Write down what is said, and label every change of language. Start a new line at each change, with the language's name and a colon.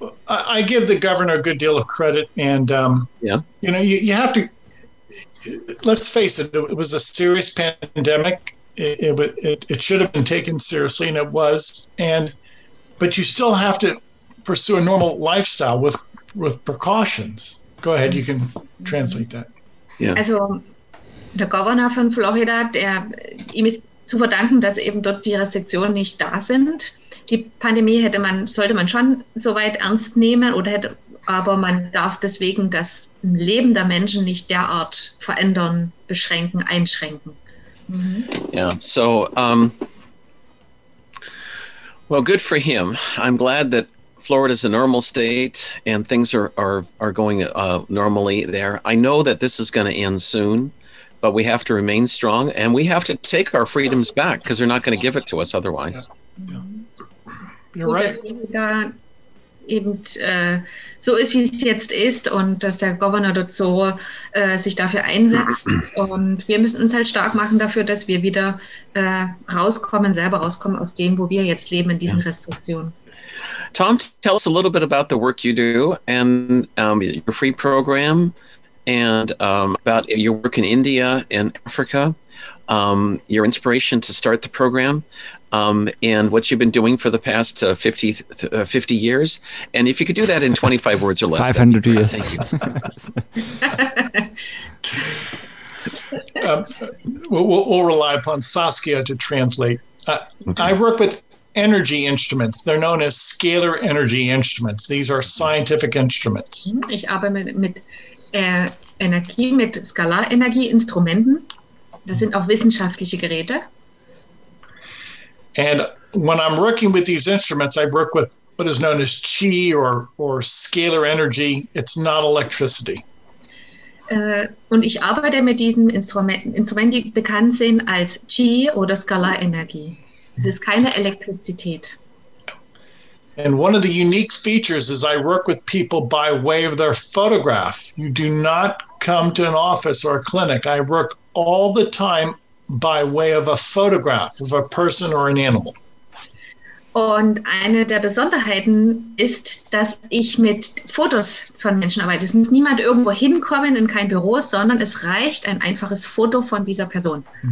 English: I give the governor a good deal of credit and, you know, you have to, let's face it, it was a serious pandemic. It should have been taken seriously, and it was. But you still have to pursue a normal lifestyle with precautions. Go ahead, you can translate that. Yeah.
German: Also, der Governor von Florida, ihm ist zu verdanken, dass eben dort die Restriktionen nicht da sind. Die Pandemie sollte man schon soweit ernst nehmen, aber man darf deswegen das Leben der Menschen nicht derart verändern, beschränken, einschränken. Mm-hmm.
English: Yeah, so, well, good for him. I'm glad that Florida is a normal state and things are going normally there. I know that this is going to end soon, but we have to remain strong and we have to take our freedoms back because they're not going to give it to us otherwise. Yeah. Yeah. You're right.
German: Eben so ist, wie es jetzt ist und dass der Governor dort so sich dafür einsetzt. Und wir müssen uns halt stark machen dafür, dass wir wieder selber rauskommen aus dem, wo wir jetzt leben, in diesen Restriktionen.
English: Tom, tell us a little bit about the work you do and your free program and about your work in India and Africa, your inspiration to start the program. And what you've been doing for the past 50 years. And if you could do that in 25 words or less. 500 years. Thank you. we'll rely upon Saskia to translate. Okay. I work with energy instruments. They're known as scalar energy instruments. These are scientific instruments.
German: Ich arbeite mit Energie, mit Skalarenergieinstrumenten. Das sind auch wissenschaftliche Geräte.
English: And when I'm working with these instruments, I work with what is known as chi or scalar energy. It's not electricity.
German: Und ich arbeite mit diesen Instrumenten, die bekannt sind als chi oder Skalarenergie. Es ist keine Elektrizität.
English: And one of the unique features is I work with people by way of their photograph. You do not come to an office or a clinic. I work all the time by way of a photograph of a person or an animal.
German: Und eine der Besonderheiten ist, dass ich mit Fotos von Menschen arbeite. Es muss niemand irgendwo hinkommen in kein Büro, sondern es reicht ein einfaches Foto von dieser Person.